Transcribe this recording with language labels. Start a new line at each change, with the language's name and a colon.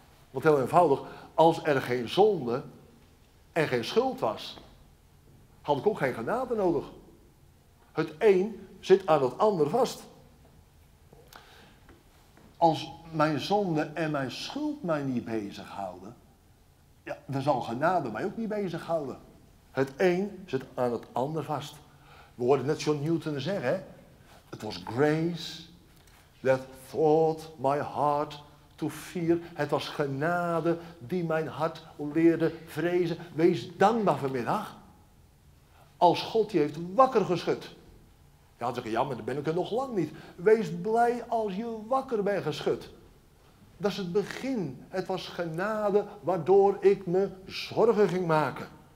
Dutch: Want heel eenvoudig, als er geen zonde en geen schuld was, had ik ook geen genade nodig. Het een zit aan het ander vast. Als mijn zonde en mijn schuld mij niet bezighouden, ja, dan zal genade mij ook niet bezighouden. Het een zit aan het ander vast. We hoorden net John Newton zeggen, hè?
English: It was grace that taught my heart to fear.
Dutch: Het was genade die mijn hart leerde vrezen. Wees dankbaar vanmiddag. Als God je heeft wakker geschud. Ja, dan zeg je, ja, maar dan ben ik er nog lang niet. Wees blij als je wakker bent geschud. Dat is het begin. Het was genade waardoor ik me zorgen ging maken.